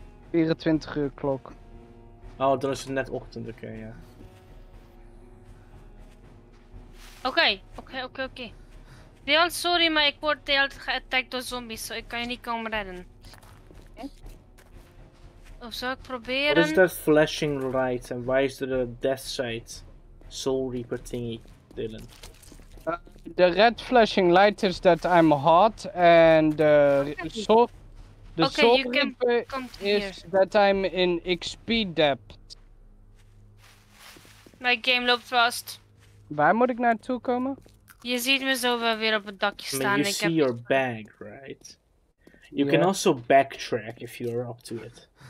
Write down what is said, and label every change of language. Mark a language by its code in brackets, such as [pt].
[nl] 24 uur klok. Oh, dan is het net ochtend, oké, okay, ja. Oké. Dylan, sorry, maar ik word de hele tijd geattacked door zombies, so ik kan je niet komen redden. Of zou ik proberen? [en] What is that flashing light and why is there a death sight? Soul Reaper thingy, Dylan. The red flashing light is that I'm hot and the soul Reaper is that I'm in XP depth. My game [nl] loopt vast. Waar moet ik naartoe komen? Je ziet me zo wel weer op het dakje staan. [en] I mean, you see your bag, right? You can also backtrack if you're up to it.